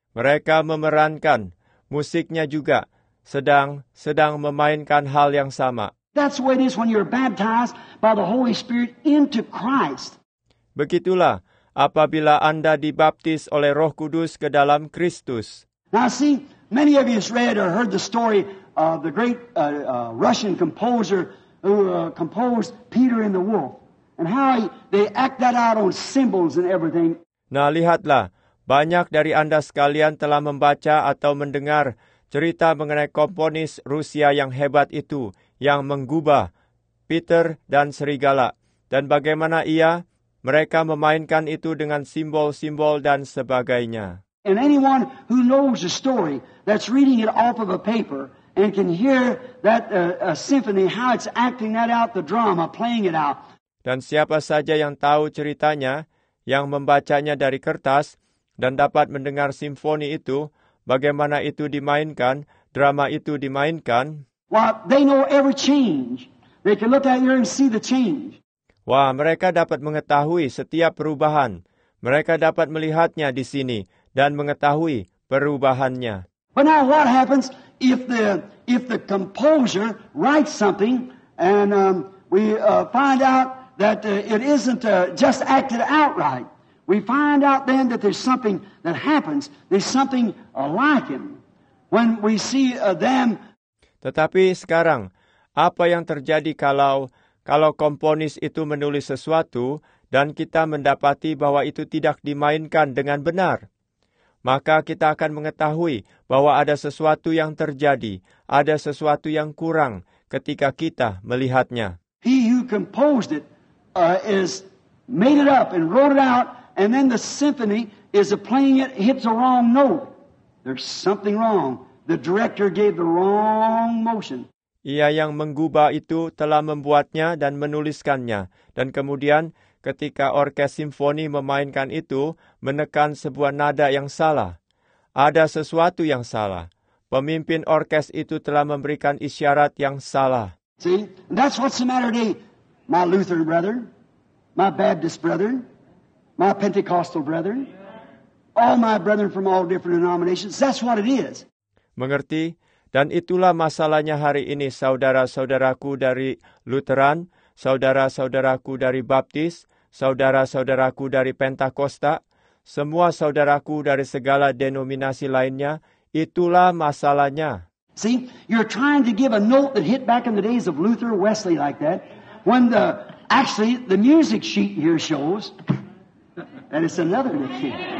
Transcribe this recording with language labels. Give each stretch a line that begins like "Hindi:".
Indonesian: Mereka memerankan, musiknya juga sedang memainkan hal yang sama.
English: That's the way it is when you're baptized by the Holy Spirit into Christ.
Indonesian: Begitulah apabila Anda dibaptis oleh Roh Kudus ke dalam Kristus.
English: Now see, many of you have read or heard the story of the great Russian composer who composed Peter and the Wolf, and how they act that out on symbols and everything.
Indonesian: Nah, lihatlah, banyak dari Anda sekalian telah membaca atau mendengar cerita mengenai komponis Rusia yang hebat itu, yang menggubah Peter dan Serigala, dan bagaimana ia mereka memainkan itu dengan simbol-simbol dan sebagainya.
English: And anyone who knows the story, that's reading it off of a paper, and can hear that symphony, how it's acting that out, the drama, playing it out.
Indonesian: Dan siapa saja yang tahu ceritanya, yang membacanya dari kertas, dan dapat mendengar simfoni itu, bagaimana itu dimainkan, drama itu dimainkan.
English: Well, they know every change. They can look out here and see the change.
Indonesian: Wah, mereka dapat mengetahui setiap perubahan. Mereka dapat melihatnya di sini dan mengetahui perubahannya.
English: But now what happens if the composer writes something and we find out that it isn't just acted outright? We find out then that there's something that happens. There's something like him when we see them.
Indonesian: Tetapi sekarang, apa yang terjadi kalau komponis itu menulis sesuatu dan kita mendapati bahwa itu tidak dimainkan dengan benar? Maka kita akan mengetahui bahwa ada sesuatu yang terjadi, ada sesuatu yang kurang ketika kita melihatnya.
English: He who composed it is made it up and wrote it out, and then the symphony is playing it, hits a wrong note. There's something wrong. The director gave the wrong motion.
Indonesian: Ia yang menggubah itu telah membuatnya dan menuliskannya. Dan kemudian ketika orkes simfoni memainkan itu, menekan sebuah nada yang salah. Ada sesuatu yang salah. Pemimpin orkes itu telah memberikan isyarat yang salah.
English: See, and that's what's the matter today, my Lutheran brethren, my Baptist brethren, my Pentecostal brethren, all my brethren from all different denominations, that's what it is.
Indonesian: Mengerti? Dan itulah masalahnya hari ini, saudara-saudaraku dari Lutheran, saudara-saudaraku dari Baptis, saudara-saudaraku dari Pentakosta, semua saudaraku dari segala denominasi lainnya, itulah masalahnya.
English: See, you're trying to give a note that hit back in the days of Luther, Wesley like that, when the music sheet here shows that it's another note.